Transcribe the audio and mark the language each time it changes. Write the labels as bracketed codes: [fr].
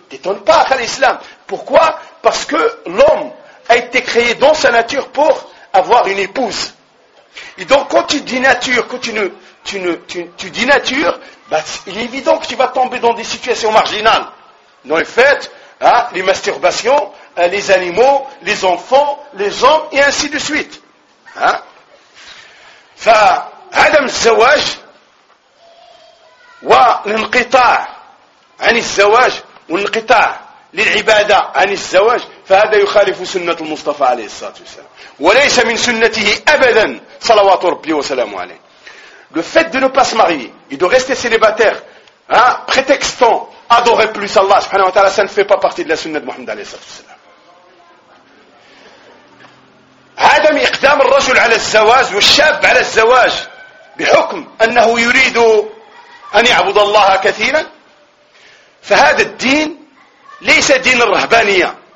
[fr] Tu ne t'étonnes pas à l'islam. Pourquoi? Parce que l'homme a été créé dans sa nature pour avoir une épouse. Et donc quand tu dis nature, quand tu dis nature, bah, il est évident que tu vas tomber dans des situations marginales. Dans les fêtes, hein, les masturbations, les animaux, les enfants, les hommes, et ainsi de suite. Hein? [ar] Fa adam zawaj wa l'inqita' ani zawaj wa l'inqita' للعبادة عن الزواج فهذا يخالف سنة المصطفى عليه الصلاة والسلام وليس من سنته أبدا صلوات ربي وسلامه عليه. [fr] Le fait de ne pas se marier et de rester célibataire hein, prétextant adorer plus Allah subhanahu wa ta'ala, ça ne fait pas partie de la sunna de Muhammad [ar] عليه الصلاة والسلام. عدم إقدام الرجل على الزواج والشاب على الزواج بحكم أنه يريد أن يعبد الله كثيرا فهذا الدين ليس دين الرهبانية.